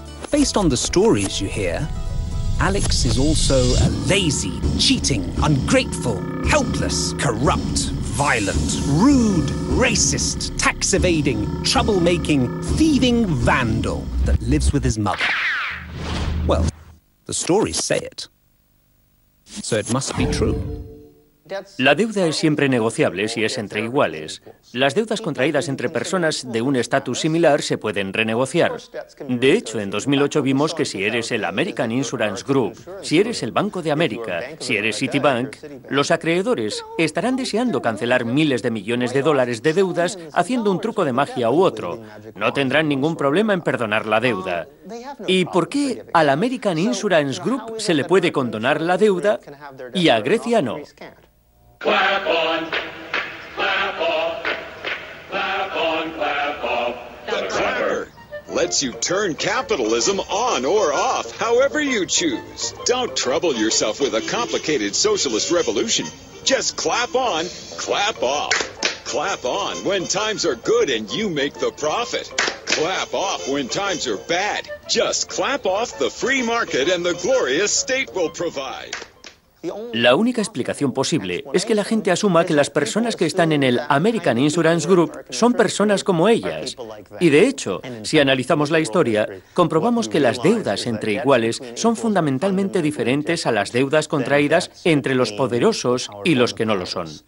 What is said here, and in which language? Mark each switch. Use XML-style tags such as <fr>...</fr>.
<en>Based on the stories you hear, Alex is also a lazy, cheating, ungrateful, helpless, corrupt, violent, rude, racist, tax-evading, troublemaking, thieving vandal that lives with his mother. Well, the stories say it, so it must be true.</en> <es>La deuda es siempre negociable si es entre iguales. Las deudas contraídas entre personas de un estatus similar se pueden renegociar. De hecho, en 2008 vimos que si eres el American Insurance Group, si eres el Banco de América, si eres Citibank, los acreedores estarán deseando cancelar miles de millones de dólares de deudas haciendo un truco de magia u otro. No tendrán ningún problema en perdonar la deuda. ¿Y por qué al American Insurance Group se le puede condonar la deuda y a Grecia no?</es> <en>Clap on, clap off, clap on, clap off. The Clapper lets you turn capitalism on or off, however you choose. Don't trouble yourself with a complicated socialist revolution. Just clap on, clap off. Clap on when times are good and you make the profit. Clap off when times are bad. Just clap off the free market and the glorious state will provide.</en> <es>La única explicación posible es que la gente asuma que las personas que están en el American Insurance Group son personas como ellas. Y de hecho, si analizamos la historia, comprobamos que las deudas entre iguales son fundamentalmente diferentes a las deudas contraídas entre los poderosos y los que no lo son.</es>